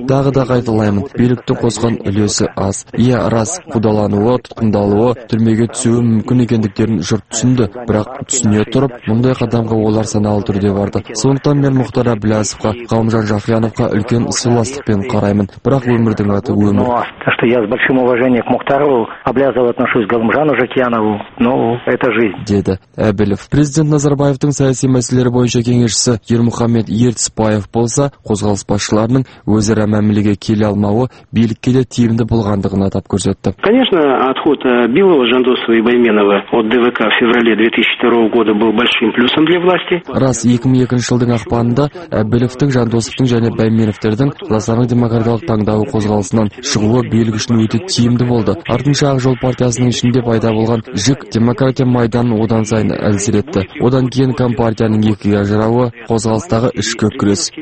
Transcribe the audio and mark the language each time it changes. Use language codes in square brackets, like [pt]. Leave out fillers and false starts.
[kk] Тағы да қайталаймын, билікті қосқан үлесі аз. Ие рас, қудалануы, тұтқындалуы, түрмеге түсуі мүмкін екендіктерін жұрт түсінді, бірақ түсіне тұрып, мұндай қадамға олар саналы түрде барды. Сондықтан мен Мұхтар Әбілязовқа, Қалымжан Жақияновқа үлкен сыйластықпен қараймын, бірақ өмірдің аты өмір. [ru] Что я с большим уважением к Мухтарову, Әбілязову отношусь, к Галымжану Жакиянову, но это жизнь. [kk] Деді Әбілев. Президент Назарбаевтың саяси мәселелері бойынша кеңесшісі Ермұхамед Ертісбаев болса, қозғалыс басшыларының өзара мәмілеге келе алмауы билікке де тиімді болғандығын атап көрсетті. [ru] Конечно, отход Билова, Жандосова и Байменова от ДВК в феврале 2002 года был большим плюсом для власти. [kk] Раз 2002 жылдың ақпанында Әбілевтің, Жандосовтың және Байменовтердің Қазақстан демократиялық таңдауы қозғалысынан шығуы билік үшін өте тиімді болды. Артынша Ақ жол партиясының ішінде пайда болған жік демократия майданын одан сайын әлсіретті. Одан кейін компартияның екіге ажырауы, қозғалыстағы ішкі күрес.